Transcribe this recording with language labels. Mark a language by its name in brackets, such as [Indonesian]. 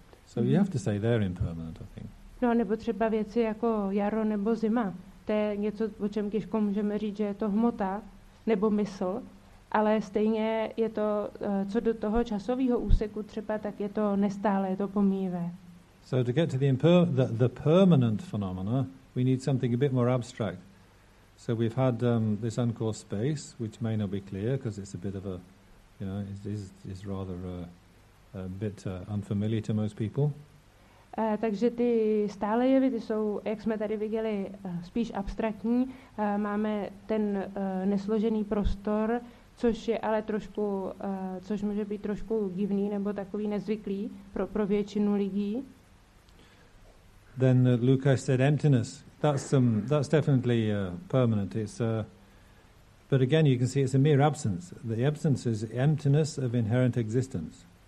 [English] So you have to say they're impermanent, I think. [Czech] No, nebo třeba věci jako jaro nebo zima. To je něco, o čem těžko můžeme říct, že je to hmota nebo mysl. Ale stejně je to, co do toho časového úseku třeba, tak je to nestálé, je to pomíjivé. [English] So to get to the permanent phenomena, we need something a bit more abstract. So we've had this uncaused space, which may not be clear, because it's a bit of a, you know, is rather a bit unfamiliar to most people. [Czech] Takže ty stále jevy jsou, jak jsme tady viděli, spíš abstraktní. Máme ten nesložený prostor, což je ale trošku, což může být trošku divný nebo takový nezvyklý pro většinu lidí. [English] Then Luca said emptiness. That's definitely permanent. It's but again, you can see it's a mere absence. The absence is emptiness of inherent existence.